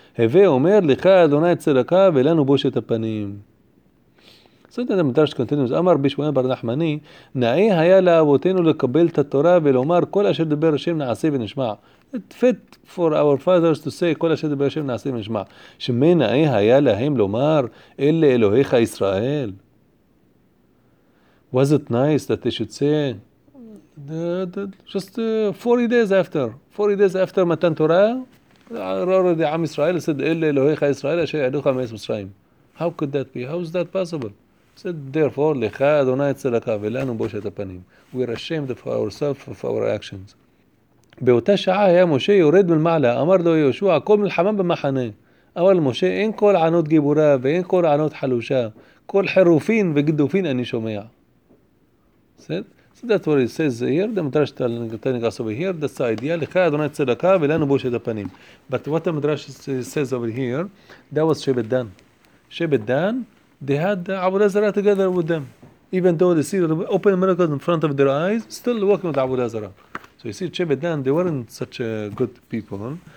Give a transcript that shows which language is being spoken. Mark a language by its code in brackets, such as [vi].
[he] הווה אומר לך אדוני צדקה ולנו בושת הפנים. זאת אומרת, המדרש קונטינוס אמר בשמואל בר נחמני, נאה היה לאבותינו לקבל את התורה ולומר כל אשר דיבר השם נעשה ונשמע. [en] It fit for our fathers to say [he] כל אשר דיבר השם נעשה ונשמע. שמי נאה היה להם לומר אלה אלוהיך ישראל. [en] Was it nice that they should say just 40 days after 40 days after מתן תורה? Already, Am Israel said, [he] "Ele Eloheicha Israel, Asher Yadocha Meis Mitzrayim." [en] How could that be? How is that possible? He said, therefore, [he] Lecha Adonai Tzedakah Velanu Boshet HaPanim. [en] We are ashamed of ourselves, of our actions. [he] באותה שעה היה משה יורד מלמעלה, אמר לו יהושע, כל מלחמה במחנה. אבל משה, אין כל ענות גיבורה ואין כל ענות חלושה. כל חירופין וגדופין אני שומע. [en] So that's what it says here. The Midrash telling us over here, that's the idea. [he] לך אדוני צדקה ולנו בושת הפנים. [en] But what the Midrash says over here, that was שבט דן. שבט דן, they had עבודה זרה together with them. Even though they see the open miracles in front of their eyes, still working with עבודה זרה. So you see, Shebet Dan, they weren't such good people.